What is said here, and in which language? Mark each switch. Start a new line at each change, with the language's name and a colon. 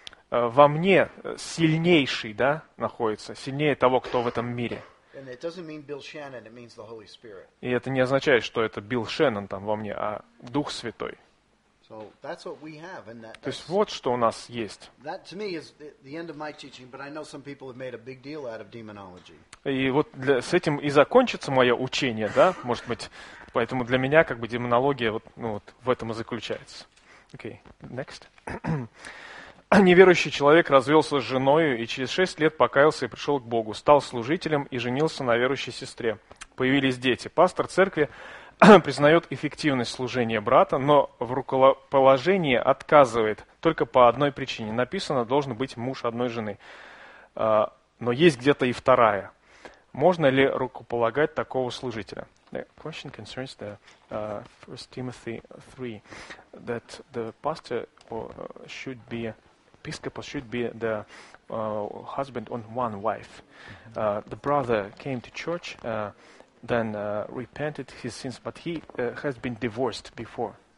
Russian: Во мне сильнейший, да, находится, сильнее того, кто в этом мире. И это не означает, что это Билл Шеннон там во мне, а Дух Святой.
English: So that's what we have, and that,
Russian: то есть вот что у нас есть.
English: That to me is the end of my teaching, but I know some people have made a big deal out of demonology.
Russian: И вот с этим и закончится мое учение, да? Может быть, поэтому для меня как бы демонология вот, ну, вот в этом и заключается.
English: Okay, next.
Russian: Неверующий человек развелся с женой и через 6 лет покаялся и пришел к Богу, стал служителем и женился на верующей сестре. Появились дети. Пастор церкви признает эффективность служения брата, но в рукоположении отказывает только по одной причине. Написано, должен быть муж одной жены. Но есть где-то и вторая. Можно ли рукополагать такого служителя?
English: The question concerns the 1 Timothy 3, that the pastor should be, episcopal should be the husband on one wife. The brother came to church, then repented his sins, but he has been divorced before.